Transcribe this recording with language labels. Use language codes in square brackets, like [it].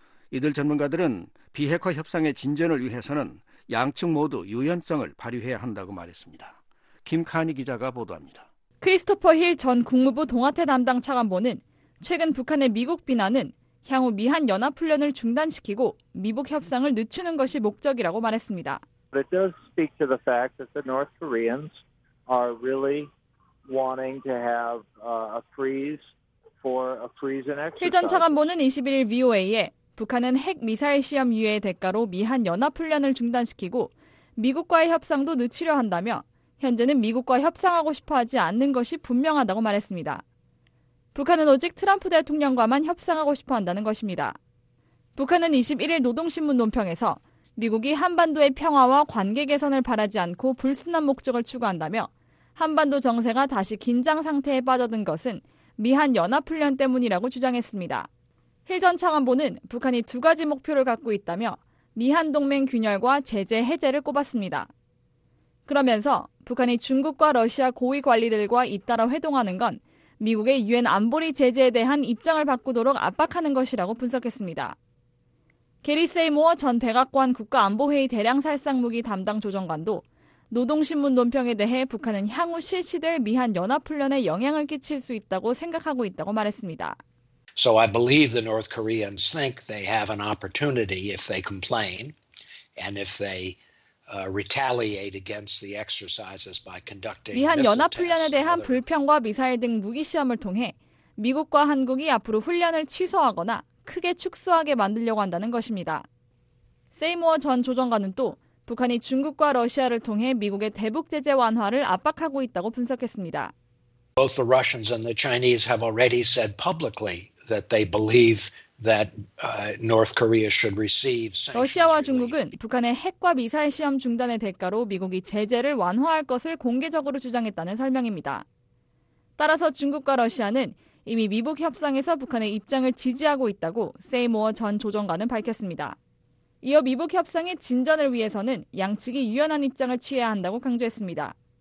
[ko] 이들 전문가들은 비핵화 협상의 진전을 위해서는 양측 모두 유연성을 발휘해야 한다고 말했습니다. 김카니 기자가 보도합니다. 크리스토퍼 힐 전 국무부 동아태 담당 차관보는 최근 북한의 미국 비난은 향후 미한 연합훈련을 중단시키고 미북 협상을 늦추는 것이 목적이라고 말했습니다. [en] But it does speak to the fact that the North Koreans are really wanting to have a freeze for a freeze in exercise. [ko] 힐 전 차관보는 21일 VOA에 북한은 핵미사일 시험 유예의 대가로 미한 연합훈련을 중단시키고 미국과의 협상도 늦추려 한다며 현재는 미국과 협상하고 싶어 하지 않는 것이 분명하다고 말했습니다. 북한은 오직 트럼프 대통령과만 협상하고 싶어 한다는 것입니다. 북한은 21일 노동신문 논평에서 미국이 한반도의 평화와 관계 개선을 바라지 않고 불순한 목적을 추구한다며 한반도 정세가 다시 긴장 상태에 빠져든 것은 미한 연합훈련 때문이라고 주장했습니다. 힐 전 차관보는 북한이 두 가지 목표를 갖고 있다며 미한 동맹 균열과 제재 해제를 꼽았습니다. 그러면서 북한이 중국과 러시아 고위 관리들과 잇따라 회동하는 건 미국의 유엔 안보리 제재에 대한 입장을 바꾸도록 압박하는 것이라고 분석했습니다. 게리 세이모어 전 백악관 국가안보회의 대량살상무기 담당 조정관도 노동신문 논평에 대해 북한은 향후 실시될 미한 연합훈련에 영향을 끼칠 수 있다고 생각하고 있다고 말했습니다. [en] So I believe the North Koreans think they have an opportunity if they complain and if they retaliate against the exercises by conducting [ko] 미한 연합훈련에 대한 불평과 미사일 등 무기시험을 통해 미국과 한국이 앞으로 훈련을 취소하거나 크게 축소하게 만들려고 한다는 것입니다. 세이모어 전 조정관은 또 북한이 중국과 러시아를 통해 미국의 대북 제재 완화를 압박하고 있다고 분석했습니다. [en] Both the Russians and the Chinese have already said publicly that they believe that North Korea should receive sanctions. [ko] 러시아와 중국은 북한의 핵과 미사일 시험 중단의 대가로 미국이 제재를 완화할 것을 공개적으로 주장했다는 설명입니다. 따라서 중국과 러시아는 이미 미북 협상에서 북한의 입장을 지지하고 있다고 세이모어 전 조정관은 밝혔습니다. 이어 미북 협상의 진전을 위해서는 양측이 유연한 입장을 취해야 한다고 강조했습니다.